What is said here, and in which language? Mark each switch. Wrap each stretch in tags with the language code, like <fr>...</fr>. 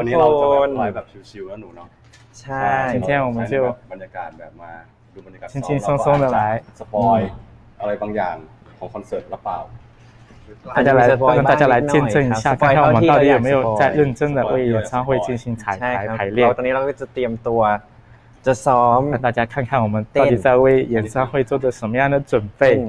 <th>วันนี้เราจะแบบชิวๆแล้วหนูเนาะ。</th> <zh>ใช่。 今天我们就</zh> <th>บรรยากาศแบบมาดูบรรยากาศ</th> <zh>轻轻松松的来。</zh> <th>สปอยอะไรบางอย่างของคอนเสิร์ตหรือเปล่า？</th> <zh>大家来，欢迎大家来见证一下，看看我们到底有没有在认真的为演唱会进行彩排排练。</zh> <th>ตอนนี้เราก็จะเตรียมตัวจะซ้อม。</th> <zh>让大家看看我们到底在为演唱会做的什么样的准备。</zh>